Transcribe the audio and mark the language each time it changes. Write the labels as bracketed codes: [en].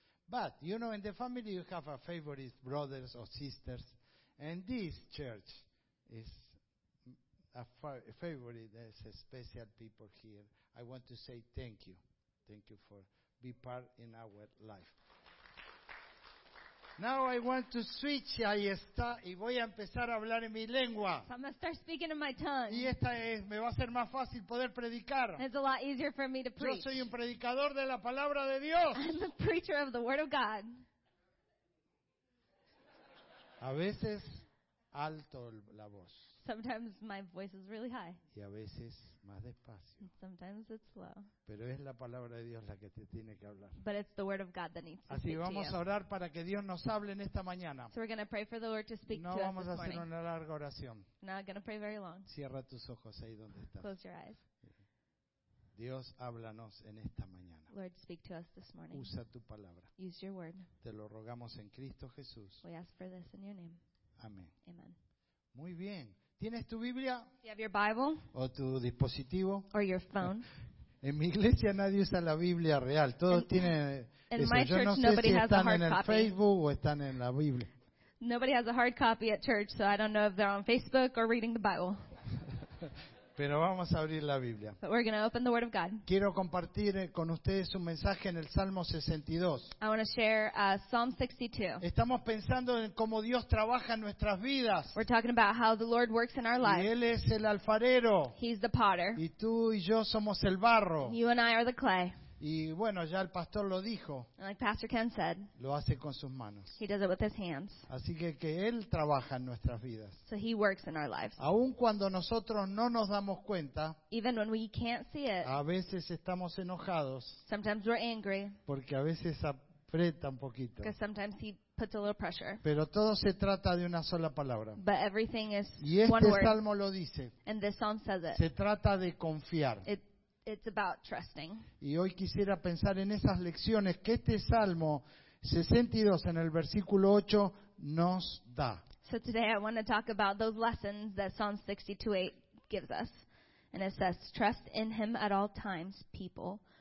[en] But, you know, in the family you have a favorite brothers or sisters, and this church is a favorite. There's a special people here. I want to say thank you. Thank you for being part in our life. Now I want to switch. [es] Ahí está. Y voy a empezar a hablar en mi lengua. [en] So I'm going to start speaking in my tongue. [es] Y esta es, me va a ser más fácil poder predicar. [en] And it's a lot easier for me to preach. [es] Yo soy un predicador de la palabra de Dios. [en] I'm the preacher of the word of God. [es] A veces alto la voz. [en] Sometimes my voice is really high. [es] Y a veces más despacio. [en] And sometimes it's low. [es] Pero es la palabra de Dios la que te tiene que hablar. [en] But it's the word of God that needs to speak to you. [es] Así vamos a orar para que Dios nos hable en esta mañana. [en] So we're going to pray for the Lord to speak to us. [es] No vamos a hacer [en] morning. [es] Una larga oración. [en] Not going to pray very long. [es] Cierra tus ojos ahí donde estás. [en] Close your eyes. [es] Dios, háblanos en esta mañana. [en] Lord, speak to us this morning. [es] Usa tu palabra. [en] Use your word. [es] Te lo rogamos en Cristo Jesús. [en] We ask for this in your name. [es] Amén. [en] Amen. [es] Muy bien. ¿Tienes tu Biblia? [en] You have your Bible? [es] ¿O tu dispositivo? [en] Or your phone? [es] En mi iglesia nadie usa la Biblia real. Todos tienen eso. [en] Church, [es] yo no sé si están en el Facebook o están en la Biblia. [en] Nobody has a hard copy at church, so I don't know if they're on Facebook or reading the Bible. [es] Pero vamos a abrir la Biblia. [en] But we're going to open the word of God. [es] Quiero compartir con ustedes un mensaje en el Salmo 62. [en] I want to share Psalm 62. [es] Estamos pensando en cómo Dios trabaja en nuestras vidas. [en] We're talking about how the Lord works in our lives. [es] Y Él es el alfarero. [en] He's the potter. [es] Y tú y yo somos el barro. [en] You and I are the clay. [es] Y bueno, ya el pastor lo dijo. [en] Like Pastor Ken said, [es] lo hace con sus manos. [en] He does it with his hands. [es] Así que Él trabaja en nuestras vidas. [en] So he works in our lives. [es] Aun cuando nosotros no nos damos cuenta, [en] even when we can't see it, [es] a veces estamos enojados. [en] Sometimes we're angry. [es] Porque a veces aprieta un poquito. [en] Because sometimes he puts a little pressure. [es] Pero todo se trata de una sola palabra. [en] But everything is [es] y este [en] one [es] salmo [en] word. [es] Lo dice. [en] And this psalm says it. [es] Se trata de confiar. [en] It's about trusting. [es] Y hoy quisiera pensar en esas lecciones que este Salmo 62 en el versículo 8 nos da. [en] So today I want to talk about those lessons that Psalm 62:8 gives us. And it says, trust in him at all times, people.